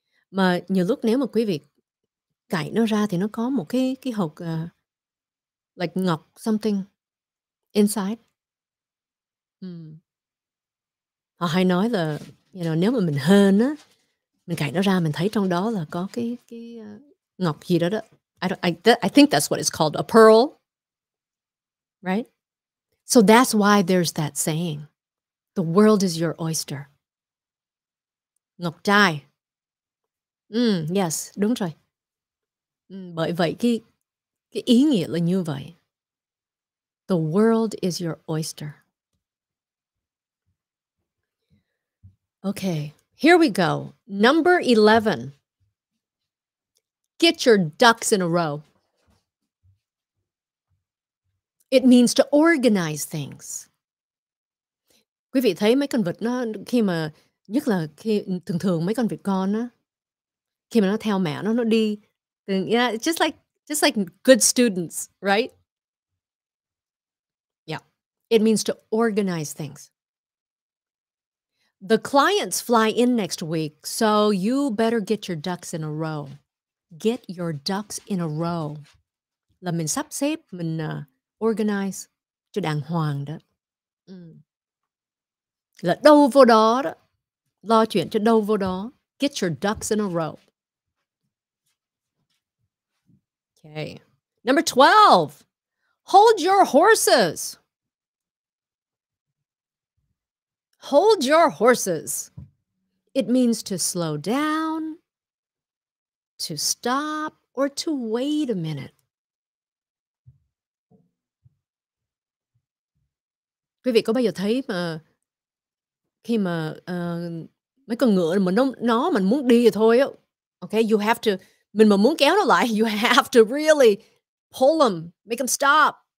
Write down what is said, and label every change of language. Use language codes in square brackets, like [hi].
[vi] Mà nhiều lúc nếu mà quý vị cải nó ra thì nó có một cái hộp like ngọc [en] something inside. [vi] Họ hay nói là, [en] you know, [vi] nếu mà mình hên á, mình cải nó ra mình thấy trong đó là có cái ngọc gì đó. [en] I think that's what it's called, a pearl, right? So that's why there's that saying, the world is your oyster. [vi] Ngọc trai. Yes, đúng rồi. Bởi vậy cái ý nghĩa là như vậy. [en] The world is your oyster. Okay, here we go. Number 11. Get your ducks in a row. It means to organize things. [vi] Quý vị thấy mấy con vịt nó khi mà nhất là khi thường thường mấy con vịt con á khi mà nó theo mẹ nó đi, [en] yeah, just like good students, right? Yeah. It means to organize things. The clients fly in next week, so you better get your ducks in a row. Get your ducks in a row. [vi] Là mình sắp xếp, mình organize cho đàng hoàng đó. Là đâu vô đó đó. Lo chuyện cho đâu vô đó. [en] Get your ducks in a row. Okay. Number 12. Hold your horses. Hold your horses. It means to slow down, to stop, or to wait a minute. [vi] Quý vị có bao giờ thấy mà khi mà mấy con ngựa mà nó mình muốn đi thì thôi á. [en] Okay, you have to, [vi] mình mà muốn kéo nó lại, [en] you have to really pull them, make them stop.